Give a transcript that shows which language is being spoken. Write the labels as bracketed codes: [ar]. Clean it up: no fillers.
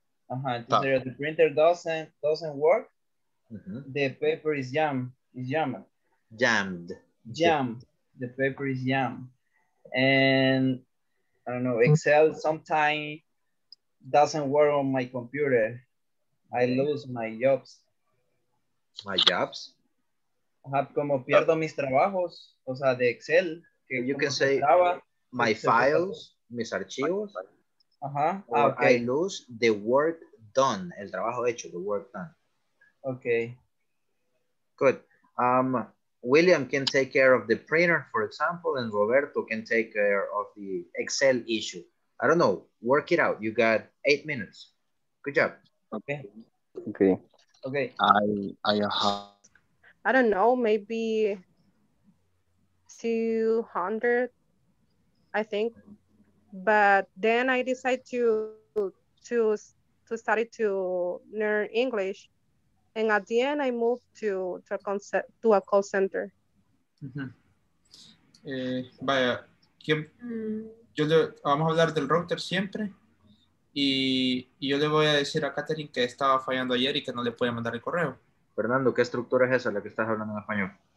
[en] Uh-huh. Stuck. The printer doesn't work. Mm-hmm. The paper is jammed. The paper is jammed. And I don't know, Excel sometimes doesn't work on my computer. I lose my jobs. My jobs? [es] Como pierdo mis trabajos, o sea, de Excel. [en] Que you can say estaba, my files, [es] mis archivos. [en] Uh-huh. Or okay. I lose the work done, [es] el trabajo hecho, [en] the work done. Okay. Good. William can take care of the printer, for example, and Roberto can take care of the Excel issue. I don't know. Work it out. You got 8 minutes. Good job. Okay. Okay. Okay. I don't know. Maybe 200, I think. But then I decided to study to learn English. And at the end, I moved to a call center. Mm-hmm. [es] Vaya, yo le, vamos a hablar del router siempre. Y yo le voy a decir a Catherine que estaba fallando ayer y que no le podía mandar el correo. Fernando, ¿qué estructura es esa la que estás hablando en español?